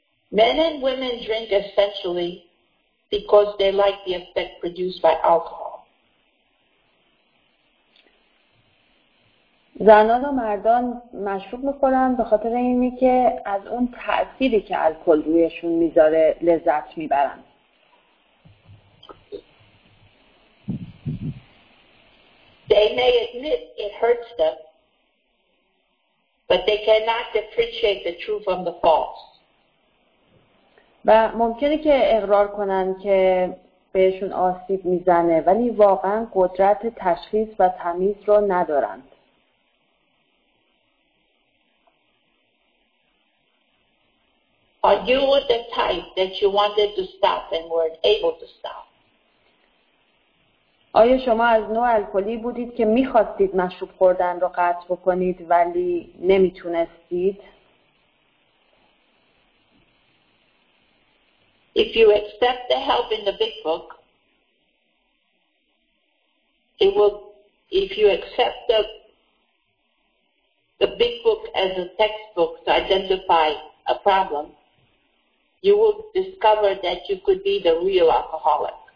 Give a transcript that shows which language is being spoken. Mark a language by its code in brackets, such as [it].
[en] Men and women drink essentially because they like the effect produced by alcohol. [fa] زنان و مردان مشروب میخورن به خاطر اینی که از اون تأثیری که الکل رویشون میذاره لذت میبرن. [en] They may admit it hurts them, but they cannot differentiate the true from the false. [fa] و ممکنه که اقرار کنن که بهشون آسیب میزنه ولی واقعا قدرت تشخیص و تمیز رو ندارند. [en] Are you the type that you wanted to stop and weren't able to stop? [fa] آیا شما از نوع الکلی بودید که میخواستید مشروب خوردن رو قطع بکنید ولی نمیتونستید؟ [en] If you accept the help in the big book, it will, if you accept the big book as a textbook to identify a problem, you will discover that you could be the real alcoholic.